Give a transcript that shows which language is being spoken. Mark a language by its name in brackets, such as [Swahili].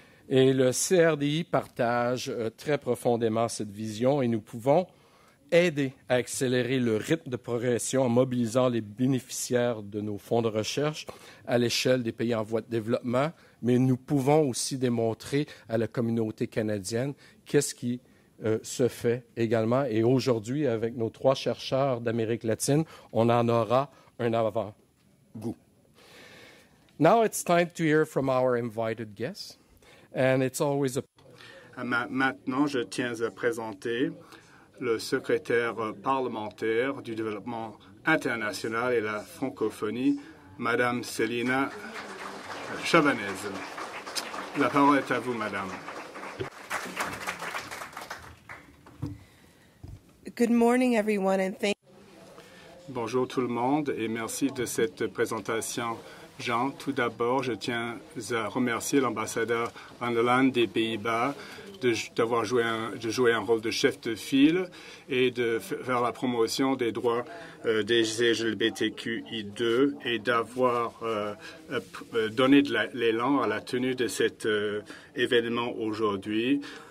[French] Et le CRDI partage très profondément cette vision et nous pouvons aider à accélérer le rythme de progression en mobilisant les bénéficiaires de nos fonds de recherche à l'échelle des pays en voie de développement, mais nous pouvons aussi démontrer à la communauté canadienne qu'est-ce qui se fait également. Et aujourd'hui, avec nos trois chercheurs d'Amérique latine, on en aura un avant-goût. [English] Now it's time to hear from our invited guests. And it's always a... [French] Maintenant, je tiens à présenter le secrétaire parlementaire du développement international et la francophonie, Madame Célina Chavanez. La parole est à vous, Madame. [English] Good morning, everyone, and thank. [French] Bonjour tout le monde et merci de cette présentation. Jean, tout d'abord, je tiens à remercier l'ambassadeur Van der Laan des Pays-Bas d'avoir joué un rôle de chef de file et de faire la promotion des droits des LGBTQI2 et d'avoir donné de l'élan à la tenue de cet événement aujourd'hui.